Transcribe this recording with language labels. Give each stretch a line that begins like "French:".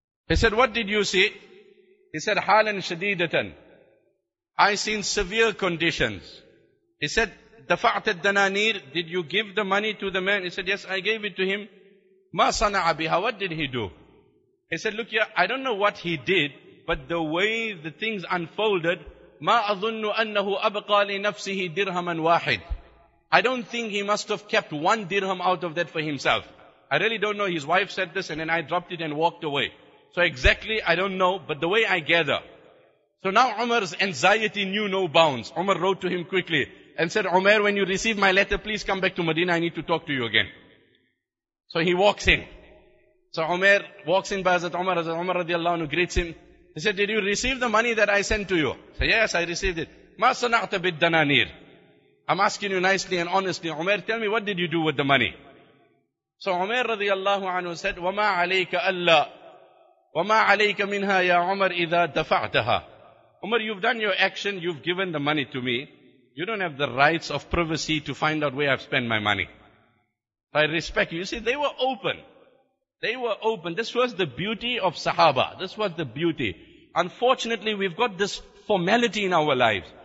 English: He said, what did you see? He said,
Arabic: halan shadidatan.
English: I seen severe conditions. He said,
Arabic: dafa'at ad-dananir.
English: Did you give the money to the man? He said, yes, I gave it to him.
Arabic: Ma sana'a biha.
English: What did he do? He said, look here, I don't know what he did. But the way the things unfolded,
Arabic: مَا أَظُنُّ أَنَّهُ أَبْقَى لِنَفْسِهِ دِرْهَمًا وَاحِدٍ.
English: I don't think he must have kept one dirham out of that for himself. I really don't know. His wife said this and then I dropped it and walked away. So exactly, I don't know. But the way I gather. So now Umar's anxiety knew no bounds. Umar wrote to him quickly and said, Umar, when you receive my letter, please come back to Medina. I need to talk to you again. So he walks in. So Umar walks in by Hazrat Umar. Hazrat Umar radiallahu anhu greets him. He said, did you receive the money that I sent to you? He said, yes, I received it.
Arabic: مَا صَنَعْتَ بِالدَّنَانِيرِ.
English: I'm asking you nicely and honestly, Umair, tell me, what did you do with the money? So Umair radiallahu anhu said,
Arabic: وَمَا عَلَيْكَ أَلَّا وَمَا عَلَيْكَ مِنْهَا يَا عُمَرْ إِذَا دَفَعْتَهَا.
English: Umar, you've done your action, you've given the money to me. You don't have the rights of privacy to find out where I've spent my money. I respect you. You see, they were open. They were open. This was the beauty of Sahaba. This was the beauty. Unfortunately, we've got this formality in our lives.